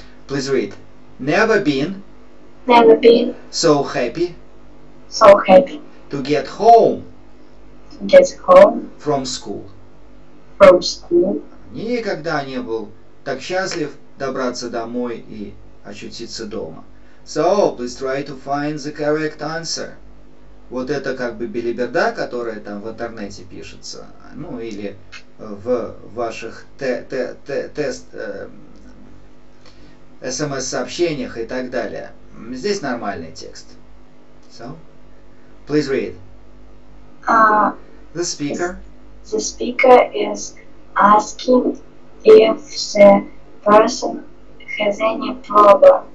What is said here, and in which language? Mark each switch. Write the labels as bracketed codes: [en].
[en] Please read. Never been. So happy. To get home. From school. [ru] Никогда не был так счастлив добраться домой и очутиться дома. [en] So, please try to find the correct answer. [ru] Вот это как бы билиберда, которая там в интернете пишется, ну или в ваших смс-сообщениях и так далее. Здесь нормальный текст. [en] So, please read. The speaker is asking if the person has any problem.